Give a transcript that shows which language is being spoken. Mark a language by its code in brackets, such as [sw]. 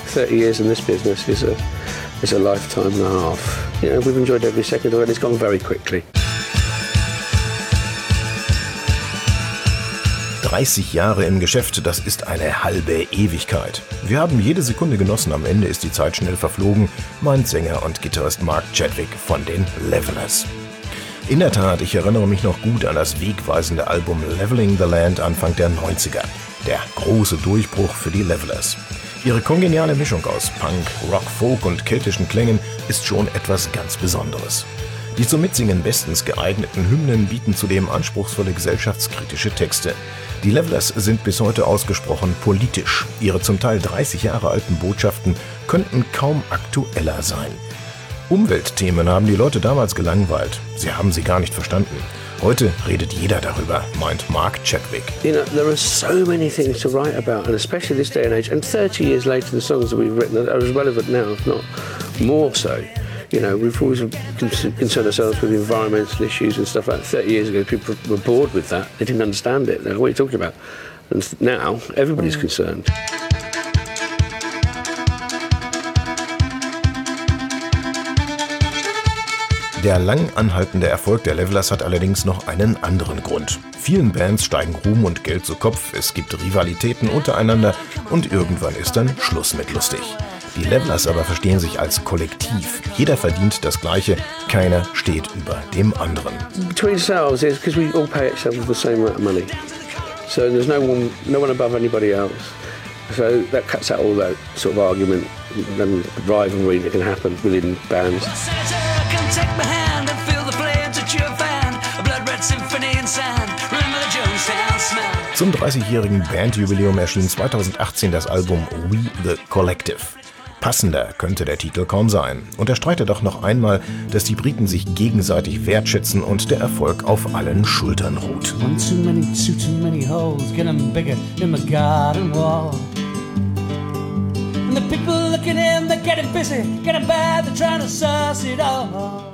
[en] Years in this business is a lifetime and a half. You know, we've enjoyed every second of it, and it's gone very quickly. [de] 30 Jahre im Geschäft, das ist eine halbe Ewigkeit. Wir haben jede Sekunde genossen, am Ende ist die Zeit schnell verflogen, meint Sänger und Gitarrist Mark Chadwick von den Levelers. In der Tat, ich erinnere mich noch gut an das wegweisende Album Leveling the Land Anfang der 90er. Der große Durchbruch für die Levelers. Ihre kongeniale Mischung aus Punk, Rock, Folk und keltischen Klängen ist schon etwas ganz Besonderes. Die zum Mitsingen bestens geeigneten Hymnen bieten zudem anspruchsvolle gesellschaftskritische Texte. Die Levelers sind bis heute ausgesprochen politisch. Ihre zum Teil 30 Jahre alten Botschaften könnten kaum aktueller sein. Umweltthemen haben die Leute damals gelangweilt. Sie haben sie gar nicht verstanden. Heute redet jeder darüber, meint Mark Chadwick. [en] You know, there are so many things to write about, and especially this day and age, and 30 years later, the songs that we've written are as relevant now, if not more so. You know, we've always concerned ourselves with environmental issues and stuff like that. 30 years ago, people were bored with that. They didn't understand it. What are you talking about? And now, everybody's concerned. [de] Der lang anhaltende Erfolg der Levelers hat allerdings noch einen anderen Grund. Vielen Bands steigen Ruhm und Geld zu Kopf, es gibt Rivalitäten untereinander und irgendwann ist dann Schluss mit lustig. Die Levelers aber verstehen sich als Kollektiv. Jeder verdient das Gleiche, keiner steht über dem anderen. [en] Between ourselves is because we all pay ourselves the same amount of money. So there's no one above anybody else. So that cuts out all that sort of argument and rivalry that can happen within bands. Take my hand and feel the flame to your band. A blood red symphony in sand. Remember the Jones Town smell. [de] Zum 30-jährigen Bandjubiläum erschien 2018 das Album We the Collective. Passender könnte der Titel kaum sein. Und er streitet doch noch einmal, dass die Briten sich gegenseitig wertschätzen und der Erfolg auf allen Schultern ruht. [en] One too many holes, getting bigger in my garden wall. And the people looking in, they're getting busy, getting bad, they're trying to suss it all.